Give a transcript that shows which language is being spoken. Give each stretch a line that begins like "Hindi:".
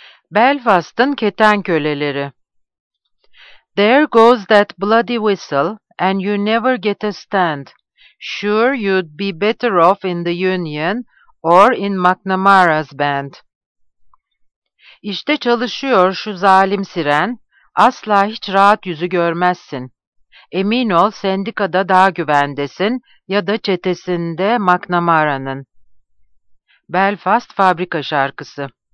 Turkish: Belfast'ın keten köleleri.
English: There goes that bloody whistle, and you never get a stand. Sure you'd be better off in the Union or in McNamara's band.
Turkish: İşte çalışıyor şu zalim siren, asla hiç rahat yüzü görmezsin. Emin ol, sendikada daha güvendesin ya da çetesinde McNamara'nın. Belfast Fabrika Şarkısı.